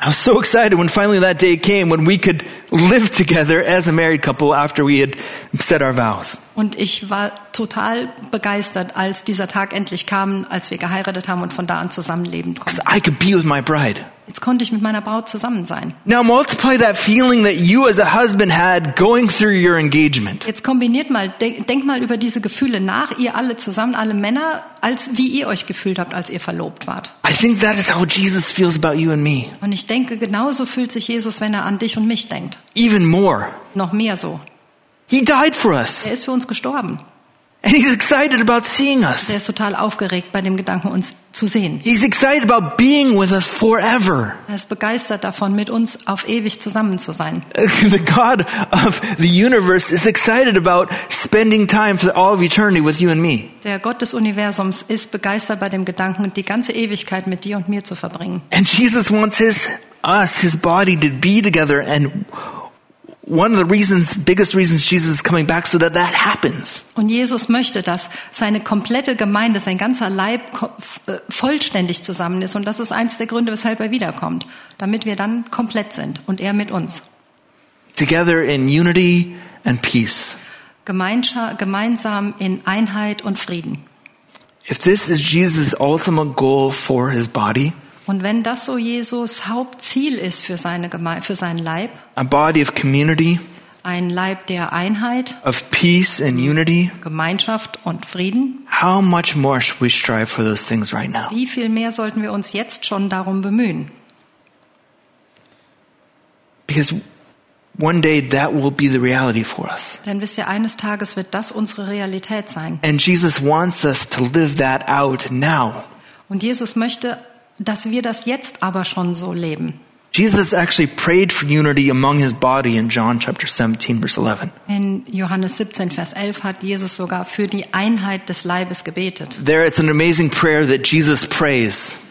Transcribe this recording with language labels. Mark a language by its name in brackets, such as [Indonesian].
[English] I was so excited when finally that day came when we could live together as a married couple after we had said our vows. [German] Und ich war total begeistert, als dieser Tag endlich kam, als wir geheiratet haben und von da an zusammenleben konnten. [English] I could be with my bride. [German] Jetzt konnte ich mit meiner Braut zusammen sein. [English] Now multiply that feeling that you as a husband had going through your engagement. [German] Jetzt kombiniert mal, denk mal über diese Gefühle nach, ihr alle zusammen, alle Männer, als wie ihr euch gefühlt habt, als ihr verlobt wart. [English] I think that is how Jesus feels about you and me. [German] Und ich denke, genauso fühlt sich Jesus, wenn er an dich und mich denkt. [English] Even more. [German] Noch mehr so. [English] He died for us. [German] Er ist für uns gestorben. [English] And he's excited about seeing us. [German] Er ist total aufgeregt bei dem Gedanken, uns zu sehen. [English] He's excited about being with us forever. [German] Er ist begeistert davon, mit uns auf ewig zusammen zu sein. [English] The God of the universe is excited about spending time for all of eternity with you and me. [German] Der Gott des Universums ist begeistert bei dem Gedanken, die ganze Ewigkeit mit dir und mir zu verbringen. [English] And Jesus wants his body to be together and one of the reasons, biggest reasons Jesus is coming back, so that that happens. [German] Und Jesus möchte, dass seine komplette Gemeinde, sein ganzer Leib vollständig zusammen ist. Und das ist eins der Gründe, weshalb er wiederkommt. Damit wir dann komplett sind und er mit uns. [English] Together in unity and peace. [German] Gemeinsam in Einheit und Frieden. [English] If this is Jesus' ultimate goal for his body, [German] und wenn das so Jesus Hauptziel ist für seine für seinen Leib, [English] a body of community, [German] ein Leib der Einheit, [English] of peace and unity, [German] Gemeinschaft und Frieden, [English] how much more should we strive for those things right now? [German] Wie viel mehr sollten wir uns jetzt schon darum bemühen? [English] Because one day that will be the reality for us. [German] Denn wisst ihr, eines Tages wird das unsere Realität sein. [English] And Jesus wants us to live that out now. [German] Und Jesus möchte, dass wir das jetzt aber schon so leben. [English] Jesus actually prayed for unity among his body in John chapter 17 verse 11. [German] In Johannes 17 Vers 11 hat Jesus sogar für die Einheit des Leibes gebetet. [English] There it's an amazing prayer that Jesus prays.